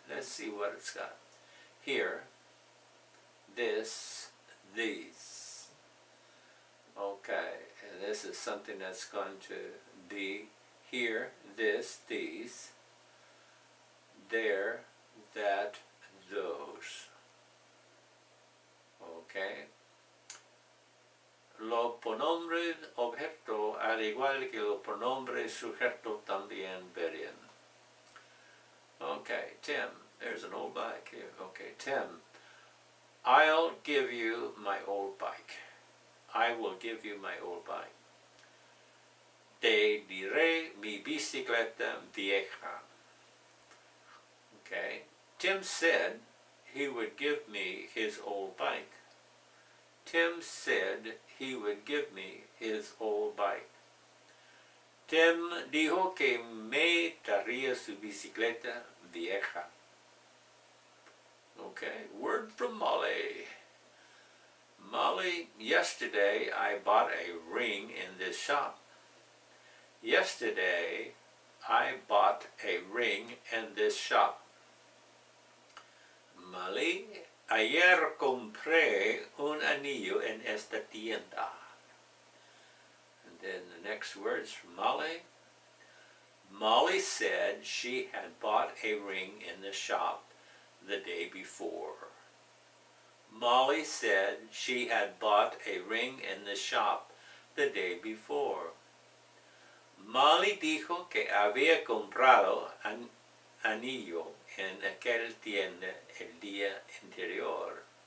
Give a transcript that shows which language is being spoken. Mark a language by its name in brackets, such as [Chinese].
[English] Let's see what it's got. Here, this, these. Okay, and this is something that's going to be here, this, these, there, that, those. Okay. [Spanish] Los pronombres objeto, al igual que los pronombres sujeto, también varían. [English] Okay, Tim. There's an old bike here. Okay, Tim. I'll give you my old bike. I will give you my old bike. [Spanish] Te diré mi bicicleta vieja. Okay. [English] Tim said he would give me his old bike. Tim said he would give me his old bike. [Spanish] Tim dijo que me daría su bicicleta vieja. [English] Okay, word from Molly. Molly, yesterday I bought a ring in this shop. Yesterday I bought a ring in this shop. [Spanish] Molly, ayer compré un anillo en esta tienda. [English] And then the next words from Molly. Molly said she had bought a ring in the shop the day before. Molly said she had bought a ring in the shop the day before. [Spanish] Molly dijo que había comprado an anillo en aquel tienda el día anterior.